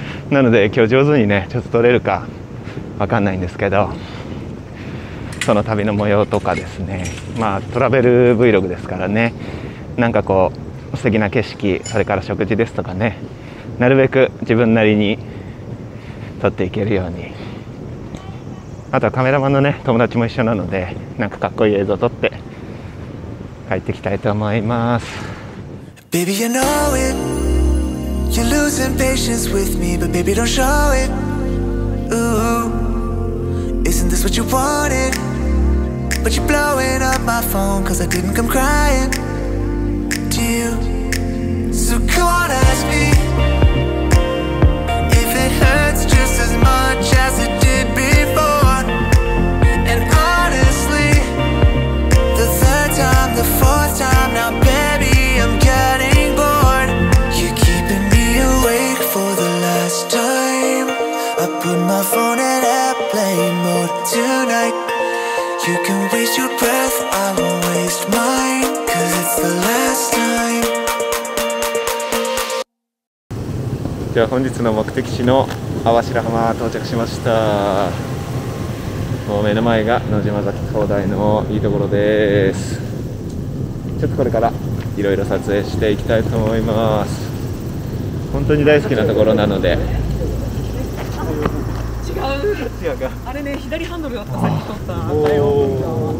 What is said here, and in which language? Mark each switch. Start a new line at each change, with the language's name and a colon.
Japanese: なので今日上手にねちょっと撮れるかわかんないんですけど、その旅の模様とかですね、まあトラベル Vlog ですからね、なんかこう素敵な景色、それから食事ですとかね、なるべく自分なりに撮っていけるように、あとはカメラマンのね友達も一緒なので、なんかかっこいい映像撮って帰ってきたいと思います。
English: Baby you know it You're losing patience with me But baby don't show it Ooh Isn't this what you wanted But you're blowing up my phone Cause I didn't come crying To you So come on ask me If it hurts just as much as it did beforeThe fourth time now, baby, I'm getting bored You're keeping me awake for the last time I put my phone in airplane mode tonight You can waste your breath, I won't waste mine Cause it's the last time
Japanese: じゃあ本日の目的地の網走浜到着しました。もう目の前が野島崎灯台のいいところです。ちょっとこれからいろいろ撮影していきたいと思います。本当に大好きなところなので。違う、違うか、あれね、左ハンドルだった、さっき撮った。おーよ